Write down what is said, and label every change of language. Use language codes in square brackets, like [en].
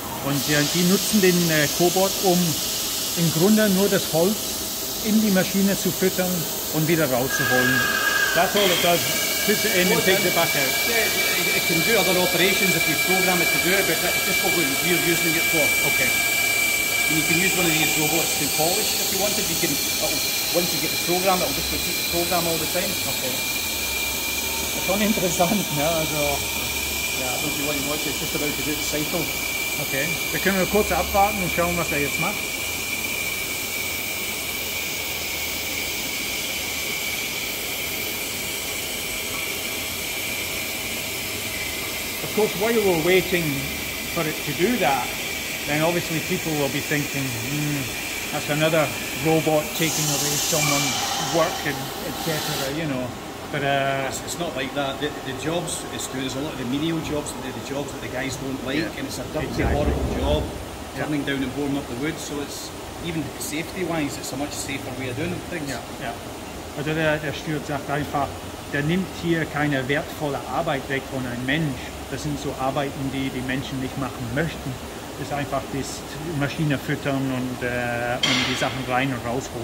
[de] Und die nutzen den Cobot, um im Grunde nur das Holz in die Maschine zu füttern und wieder rauszuholen. [en] That's all it does, puts it in and takes it back out. Yeah, it can do other operations if you program it to do it, but that's just what we're using it for. Okay. And you can use one of these robots to polish if you wanted. You can, once you get the program, it'll just repeat the program all the time. Okay. It's only interesting, no? Also, yeah, I don't know what you want, it's just about to do the cycle. Okay. [de] Wir können nur kurz abwarten und schauen, was jetzt macht. [en] Of course, while we're waiting for it to do that, then obviously people will be thinking, that's another robot taking away someone's work, etc., you know. But it's not like that. The jobs it's doing is a lot of the menial jobs, the jobs that the guys don't like, and it's a dirty, horrible job, turning down and boring up the wood. So it's, even safety-wise, it's a much safer way of doing things. Yeah. [de] Also der Stuart sagt einfach, der nimmt hier keine wertvolle Arbeit weg von einem Mensch. Das sind so Arbeiten, die Menschen nicht machen möchten. Das ist einfach das Maschine füttern und die Sachen rein und rausholen.